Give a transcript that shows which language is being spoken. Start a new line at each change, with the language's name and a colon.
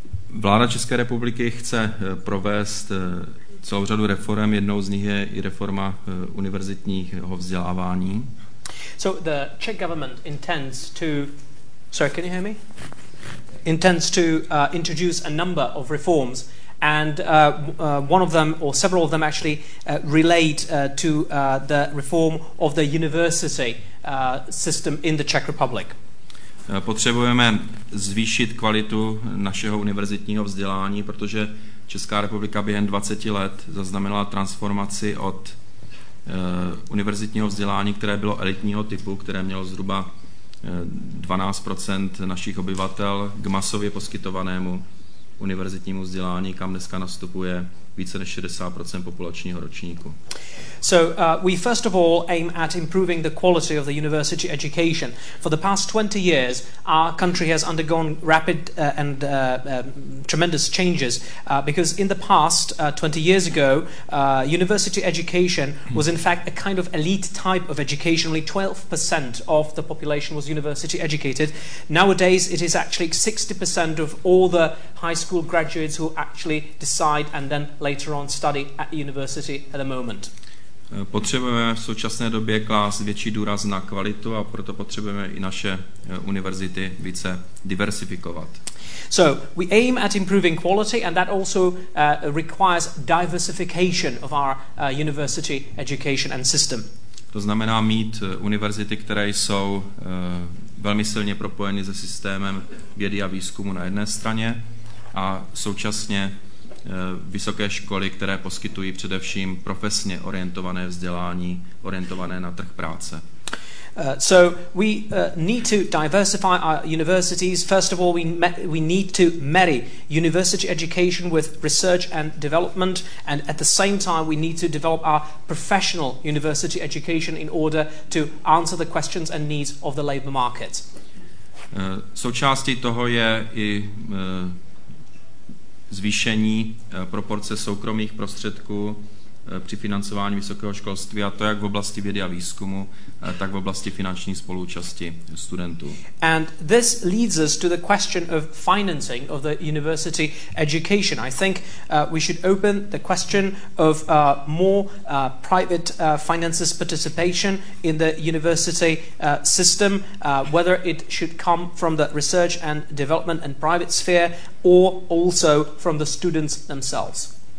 Czech: Vláda České republiky chce provést celou řadu reform, jednou z nich je i reforma univerzitního vzdělávání.
English: So the Czech government intends to introduce a number of reforms, and one of them, or several of them actually, relate to the reform of the university system in the Czech Republic.
Czech: Potřebujeme zvýšit kvalitu našeho univerzitního vzdělání, protože Česká republika během 20 let zaznamenala transformaci od univerzitního vzdělání, které bylo elitního typu, které mělo zhruba 12% našich obyvatel, k masově poskytovanému univerzitnímu vzdělání, kam dneska nastupuje více než 60% populačního ročníku.
English: So we first of all aim at improving the quality of the university education. For the past 20 years, our country has undergone rapid and tremendous changes because in the past, 20 years ago, university education was in fact a kind of elite type of education. Only 12% of the population was university educated. Nowadays, it is actually 60% of all the high school graduates who actually decide and then later on study at the university at the moment.
Czech: Potřebujeme v současné době klást větší důraz na kvalitu a proto potřebujeme i naše univerzity více diversifikovat.
English: So, we aim at improving quality and that also requires diversification of our university education and system.
Czech: To znamená mít univerzity, které jsou velmi silně propojeny se systémem vědy a výzkumu na jedné straně a současně vysoké školy, které poskytují především profesně orientované vzdělání, orientované na trh práce.
English: So we need to diversify our universities. First of all, we need to marry university education with research and development, and at the same time we need to develop our professional university education in order to answer the questions and needs of the labor market.
Czech: Součástí toho je i zvýšení proporce soukromých prostředků při financování vysokého školství, a to jak v oblasti vědy a výzkumu, tak v oblasti finanční spoluúčasti studentů.
English: And this leads us to the question of financing of the university education. I think we should open the question of more private finances participation in the university system, whether it should come from the research and development and private sphere or also from the students themselves.